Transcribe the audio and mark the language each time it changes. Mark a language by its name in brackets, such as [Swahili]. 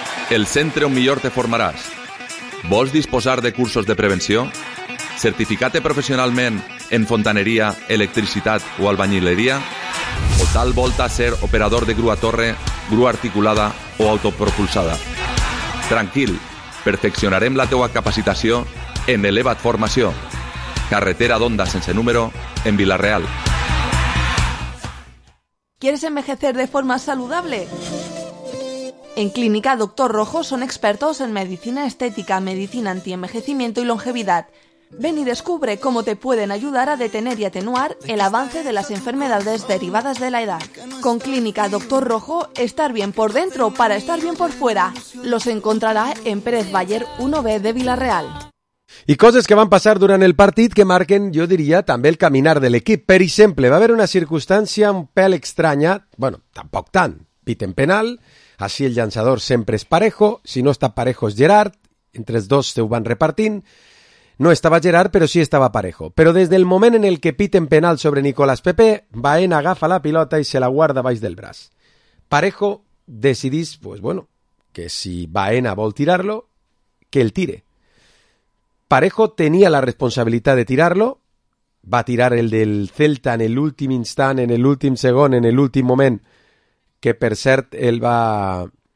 [Catalan] El centre on millor te formaràs. ¿Vols disposar de cursos de prevenció? Certificate professionalment en fontaneria, electricitat o albañilería? O tal volta a ser operador de grúa torre, grúa articulada o autopropulsada? Tranquil, perfeccionarem la teua capacitació en Elevat Formació. Carretera d'Onda sense número, en Villarreal. [Spanish] ¿Quieres envejecer de forma saludable? En Clínica Doctor Rojo son expertos en medicina estética, medicina antienvejecimiento y longevidad. Ven y descubre cómo te pueden ayudar a detener y atenuar el avance de las enfermedades derivadas de la edad. Con Clínica Doctor Rojo, estar bien por dentro para estar bien por fuera. Los encontrará en Pérez Bayer 1B de Villarreal. [Catalan] I coses que van passar durant el partit que marquen, jo diria, també el caminar de l'equip. Per exemple, va haver una circumstància un pèl estranya, bueno, tampoc tant, piten penal, així el llançador sempre és parejo, si no està parejo és Gerard, entre els dos se ho van repartint. [Spanish] No estaba Gerard, pero sí estaba Parejo. Pero desde el momento en el que piten penal sobre Nicolás Pepe, Baena [Catalan] agafa la pilota [Spanish] y se la guarda [Catalan] baix del braç. Parejo decidís, [Spanish] pues bueno, [Catalan] que si Baena vol tirarlo, [Spanish] que él tire. Parejo tenía la responsabilidad de tirarlo. Va a tirar el del Celta en el último instant, en el último segon, en el último moment, [Catalan] que per cert [Spanish] él va...